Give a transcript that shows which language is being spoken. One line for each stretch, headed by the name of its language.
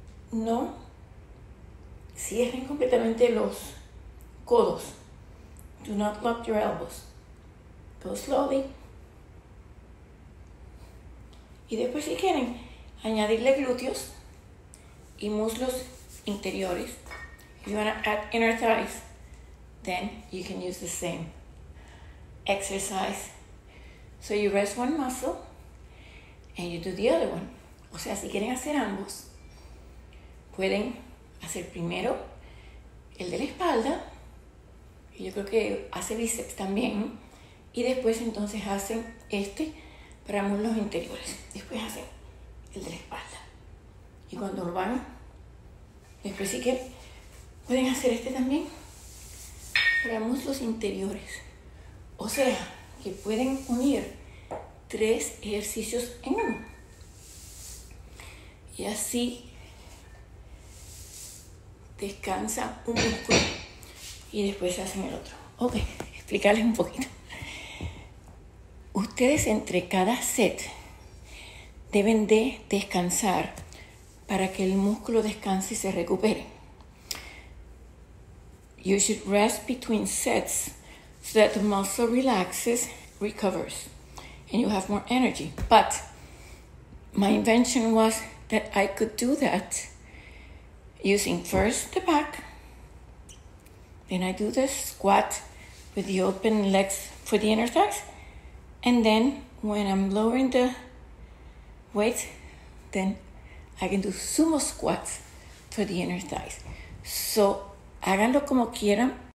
Spanish: No cierren completamente los codos.
English: Do not lock your elbows. Go slowly.
Spanish: Y después, si quieren, añadirle glúteos y muslos interiores.
English: If you want to add inner thighs, then you can use the same exercise. So you rest one muscle and you do the other one.
Spanish: O sea, si quieren hacer ambos, pueden hacer primero el de la espalda, y yo creo que hace bíceps también, y después entonces hacen este para muslos interiores. Después hacen el de la espalda. Y cuando lo van, después sí que pueden hacer este también para muslos interiores. O sea, que pueden unir tres ejercicios en uno. Y así descansa un músculo y después se hacen el otro. Ok, explicarles un poquito. Ustedes entre cada set deben de descansar para que el músculo descanse y se recupere.
English: You should rest between sets so that the muscle relaxes, recovers, and you have more energy. But my invention was that I could do that using first the back, then I do the squat with the open legs for the inner thighs, and then when I'm lowering the weight, then I can do sumo squats for the inner thighs. So
Spanish: háganlo como quieran,